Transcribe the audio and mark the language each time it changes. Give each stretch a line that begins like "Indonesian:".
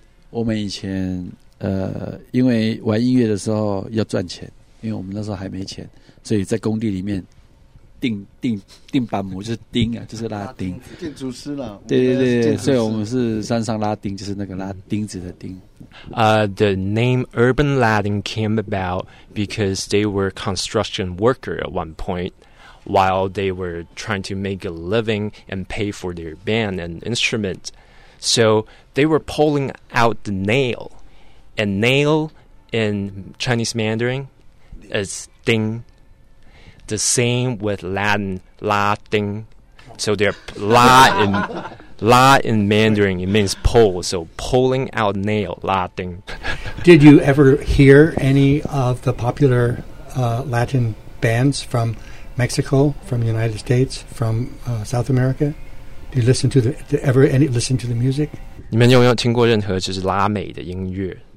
Chinese: 我们以前因为玩音乐的时候要赚钱，因为我们那时候还没钱，所以在工地里面钉板模，就是钉啊，就是拉钉，建筑师了，对对对，所以我们是山上拉钉，就是那个拉钉子的钉。
English: The name Urban Latin came about because they were construction worker at one point while they were trying to make a living and pay for their band and instrument. So they were pulling out the nail, and nail in Chinese Mandarin is ding. The same with Latin, la ding. So they're la in Mandarin, it means pull. So pulling out nail, la ding. Did you ever hear any of the popular Latin bands from Mexico, from the United States, from South America? Did you listen to listen to the music?
Chinese: 你们有没有听过任何就是拉美的音乐？